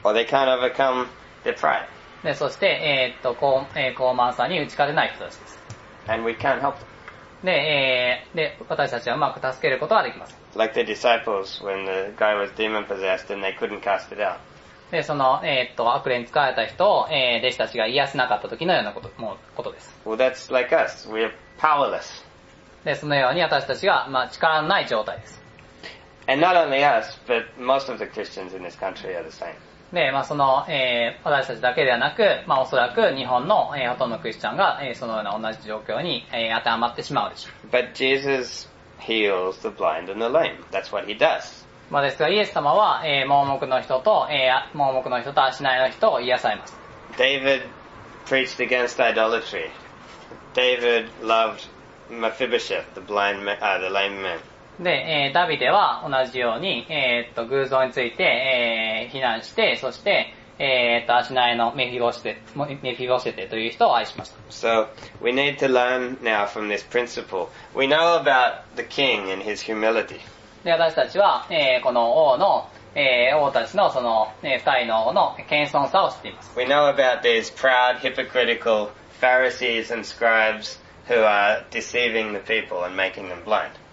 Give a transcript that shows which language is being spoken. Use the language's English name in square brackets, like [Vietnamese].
[English] Or they can't overcome their pride. [Japanese] で、そして、高慢さに打ち勝てない人たちです。 [English] And we can't help them. [Japanese] で、私たちはうまく助けることはできません。 [English] Like the disciples when the guy was demon possessed and they couldn't cast it out. [Japanese] で、その、悪霊に使われた人を、弟子たちが癒せなかった時のようなことです。 [English] Well, that's like us. We're powerless. [Japanese] で、そのように私たちが、まあ、力のない状態です。 [English] And not only us, but most of the Christians in this country are the same. [Japanese] で、まあ、その、私たちだけではなく、まあ、おそらく日本の、ほとんどのクリスチャンが、そのような同じ状況に、当てはまってしまうでしょう。 [English] But Jesus heals the blind and the lame. That's what he does. [Japanese] まあ、ですが、イエス様は、盲目の人と、盲目の人と足ないの人を癒されます。 [English] David preached against idolatry. David loved Mephibosheth, the blind man, the lame man. [Japanese] で、ダビデは同じように、偶像について、非難して、そして、足ないのメフィボシェテという人を愛しました。 [English] So, we need to learn now from this principle. We know about the king and his humility. [Japanese] で、私たちは、この王の、王たちのその、二人の王の謙遜さを知っています。 [English] We know about these proud, hypocritical Pharisees and scribes who are deceiving the people and making them blind.